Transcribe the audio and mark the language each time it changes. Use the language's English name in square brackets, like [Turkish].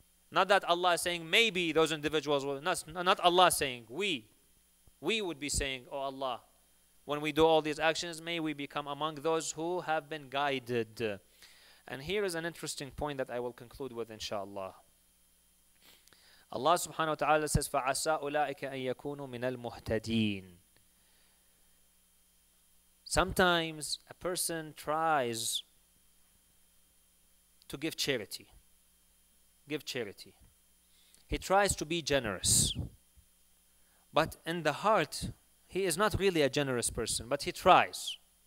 [English] Not that Allah is saying, maybe those individuals will, not Allah saying, we would be saying, O Allah, when we do all these actions, may we become among those who have been guided. And here is an interesting point that I will conclude with, inshallah. Allah subhanahu wa ta'ala says, [Arabic] فَعَسَىٰ أُولَٰئِكَ أَن يَكُونُوا مِنَ الْمُهْتَدِينَ. [English] Sometimes a person tries to give charity. He tries to be generous. But in the heart, he is not really a generous person, but he tries.